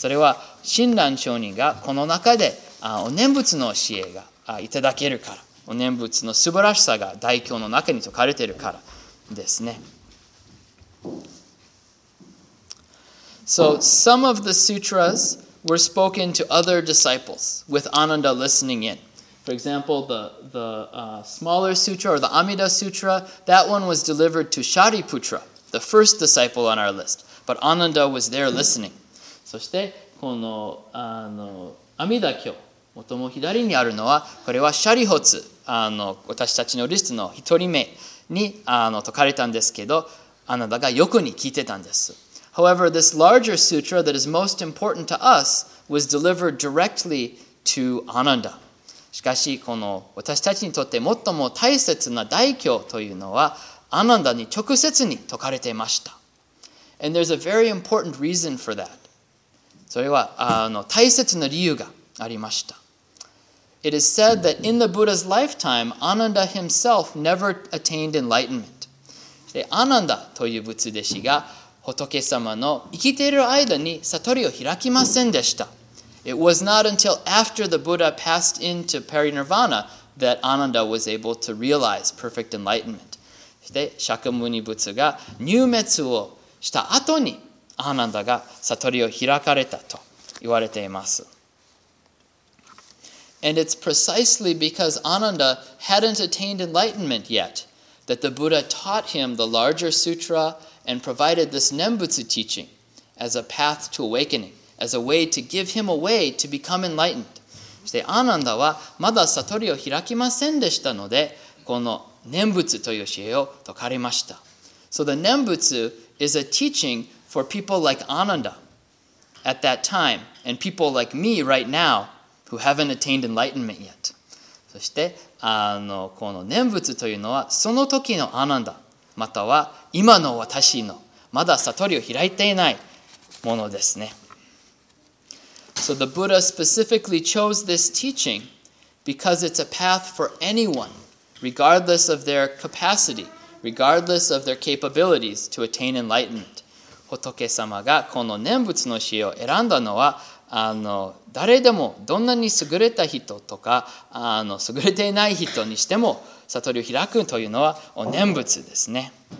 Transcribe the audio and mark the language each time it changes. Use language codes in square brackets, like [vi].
[ja] それは親鸞上人がこの中でお念仏の教えがいただけるから、お念仏の素晴らしさが大経の中に説かれているからですね。 [en] So some of the sutras were spoken to other disciples with Ananda listening in. For example, the smaller sutra or the Amida sutra, that one was delivered to Shariputra, the first disciple on our list. But Ananda was there listening. [ja] そしてこの Amida 経、最も左にあるのは、これはシャリホツ、私たちのリストの一人目に説かれたんですけど、アナンダがよくに聞いてたんです。 [en] However, this larger sutra that is most important to us was delivered directly to Ananda. [ja] しかしこの私たちにとって最も大切な大経というのはアナンダに直接に説かれていました。 [en] And there's a very important reason for that. [ja] それは、大切な理由がありました。 [en] It is said that in the Buddha's lifetime, Ananda himself never attained enlightenment. [ja] アナンダという仏弟子が仏様の生きている間に悟りを開きませんでした。 [en] It was not until after the Buddha passed into parinirvana that Ananda was able to realize perfect enlightenment. [ja] で、シャカムニ仏が入滅をした後にアナンダが悟りを開かれたと言われています。 [en] And it's precisely because Ananda hadn't attained enlightenment yet that the Buddha taught him the larger sutra and provided this Nembutsu teaching as a path to awakening. As a way to give him a way to become enlightened. [ja] そしてアナンダはまだ悟りを開きませんでしたので、この念仏という教えを説かれました。 [en] So the Nembutsu is a teaching for people like Ananda at that time and people like me right now who haven't attained enlightenment yet. [ja] そしてこの念仏というのはその時のアナンダ、または今の私のまだ悟りを開いていないものですね。 [en] So the Buddha specifically chose this teaching because it's a path for anyone, regardless of their capacity, regardless of their capabilities to attain enlightenment. [ja] 仏様がこの念仏の教えを選んだのは、誰でもどんなに優れた人とか、優れていない人にしても悟りを開くというのはお念仏ですね。